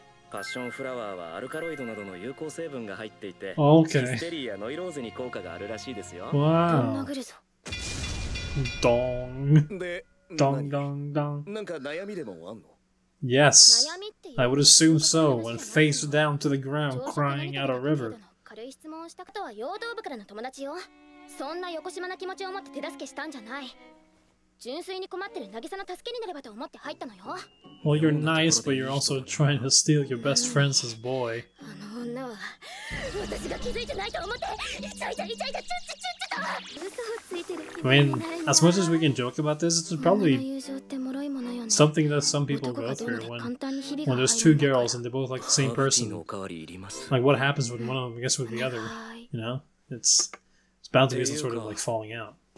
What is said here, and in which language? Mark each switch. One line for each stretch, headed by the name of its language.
Japanese: パッションフラワーはアルカロイドなどの有効成分が入っていて、
English: oh, okay.
Japanese: ヒステリーやノイローゼに効果があるらしいですよ。わあ。どん殴るぞ。ドーン。で、ドンドンドン。なんか悩みでもあんの
English: ？Yes. I would assume so. When face down to the ground, crying out a river.
Japanese: 軽い質問をしたことは妖動部からの友達よ。そんな横島な気持ちを持って手助けしたんじゃない。純粋に困ってる渚の助けになればと思って入ったのよ。
English: Well, you're nice, but you're also trying to steal your best friend's boy.
Japanese: あの女は私が気づいてないと思って、イチャイチャイチャイチャチュッチュッチュッと。
English: I mean, as much as we can joke about this, it's probably something that some people go through when there's two girls and they're both like the same person. Like, what happens when one of them gets with the other? You know, it's bound to be some sort of like falling out.